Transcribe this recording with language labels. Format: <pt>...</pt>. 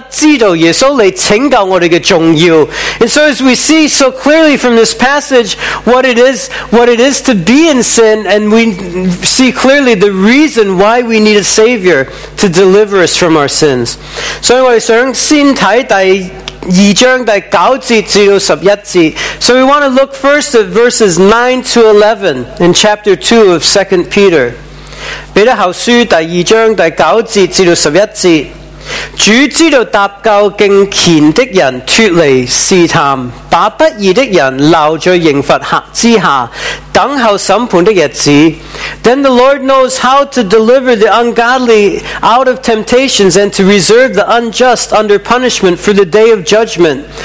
<zh>所以今天我们是了解清楚犯罪是怎样，更加知道耶稣来拯救我们的重要。</zh> <en>And so as we see so clearly from this passage what it is to be in sin, and we see clearly the reason why we need a Savior to deliver us from our sins.</en> <zh>所以我们想先看第一 2章第9節至11節.</zh> <en>So we want to look first at verses 9 to 11 in chapter 2 of 2 Peter.</en> <zh>彼得后书第2章第9節至11節. 主知道搭救敬虔的人脫離試探，把不義的人留在刑罰之下，等候審判的日子。</zh> <en>Then the Lord knows how to deliver the ungodly out of temptations and to reserve the unjust under punishment for the day of judgment.</en>